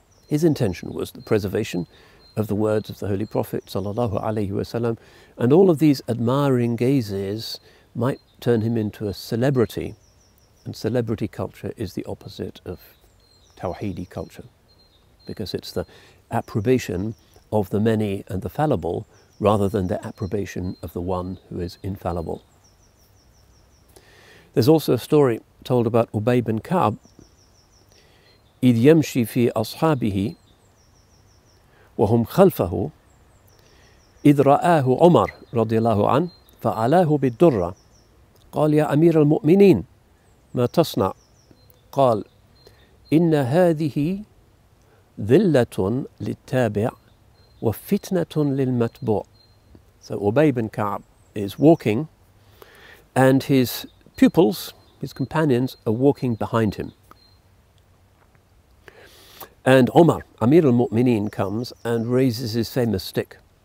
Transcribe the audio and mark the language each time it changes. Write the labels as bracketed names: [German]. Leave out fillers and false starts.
[English] His intention was the preservation of the words of the Holy Prophet sallallahu alaihi wasallam, and all of these admiring gazes might turn him into a celebrity, and celebrity culture is the opposite of tawhidi culture because it's the approbation of the many and the fallible, rather than the approbation of the one who is infallible. There's also a story told about Ubay bin Ka'b, [Arabic] إِذْ يَمْشِي فِي أَصْحَابِهِ وَهُمْ خَلْفَهُ إِذْ رَآهُ عُمَرْ رَضِيَ اللَّهُ عَنْهُ فَعَلَاهُ بِالدُّرَّةِ قال يا أمير المؤمنين ما تصنع؟ قال إن هذه ذلة للتابع وفتنة للمتبوع. [English] So Ubay bin Ka'b is walking and his pupils, his companions, are walking behind him. And Umar, Amir al-Mu'mineen, comes and raises his famous stick.